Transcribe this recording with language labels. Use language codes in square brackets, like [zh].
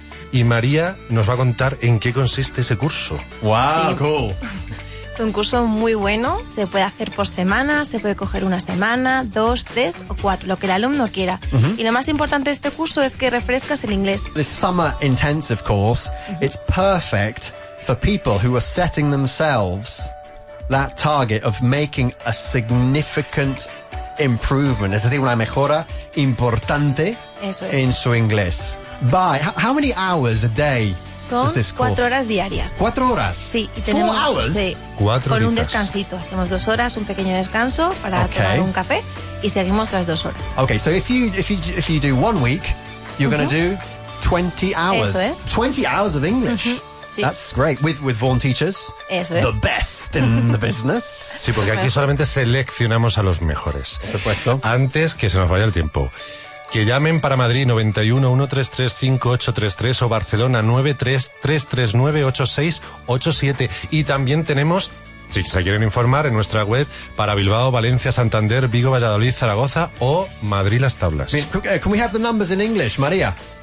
[es] Y María nos va a contar en qué consiste ese curso. [en] ¡Wow! Sí. ¡Cool! [es] Es un curso muy bueno, se puede hacer por semana, se puede coger una semana, 2, 3 o 4, lo que el alumno quiera. Uh-huh. Y lo más importante de este curso es que refrescas el inglés. [en] This summer intensive course, uh-huh. It's perfect for people who are setting themselves... that target of making a significant improvement, [es] es decir, una mejora importante en su inglés. [en] By how many hours a day? [es] Son 4 horas diarias. 4 horas. Sí, y tenemos [en] 4 hours. [es] Sí, 4 horas. Con un descansito, hacemos 2 horas, un pequeño descanso para tomar un café y seguimos las 2 horas. [en] Okay, so if you do 1 week, you're going to do 20 hours. [es] Eso es. [en] 20 hours of English. [es] Uh-huh. Sí. [en] That's great. With Vaughan Teachers, [es] eso es. [en] The best in the business. [es] Sí, porque aquí solamente seleccionamos a los mejores. Por supuesto. Antes que se nos vaya el tiempo, que llamen para Madrid 91-133-5833 o Barcelona 93-339-8687. Y también tenemos, si se quieren informar, en nuestra web para Bilbao, Valencia, Santander, Vigo, Valladolid, Zaragoza o Madrid Las Tablas. [en] Can we have the numbers in English, María?